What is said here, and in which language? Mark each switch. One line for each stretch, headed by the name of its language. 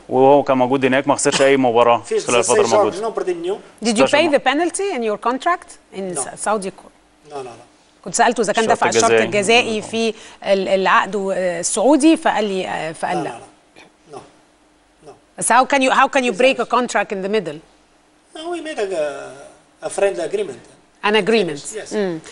Arabic: وهو كان موجود هناك ما خسرش اي مباراه خلال الفتره موجود
English: Did you pay the penalty in your contract in Saudi Court?
Arabic: لا كنت سالته اذا كان دفع الشرط الجزائي في العقد السعودي فقال لا بس
English: how can you break a contract in the middle? No, we made a friendly agreement. An agreement. Yes. Mm.